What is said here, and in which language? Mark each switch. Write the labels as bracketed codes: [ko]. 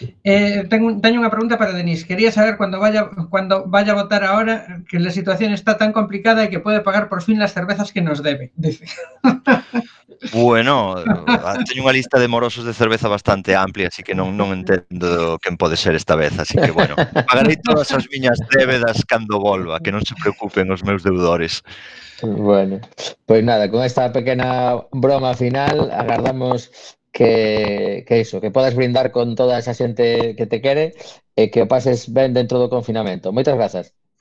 [gl] Teño unha pregunta para Denis. [es] Quería saber cuando vaya a votar ahora, que la situación está tan complicada y que puede pagar por fin las cervezas que nos debe. [gl] Bueno, teño unha lista de morosos de cerveza bastante amplia, así que non entendo quen pode ser esta vez. Así que, bueno, pagarei todas as miñas débedas cando volva, que non se preocupen os meus deudores. Bueno, pues nada, con esta pequena broma final, agardamos que podes brindar con toda esa xente que te quere e que o pases ben dentro do confinamento. Moitas grazas.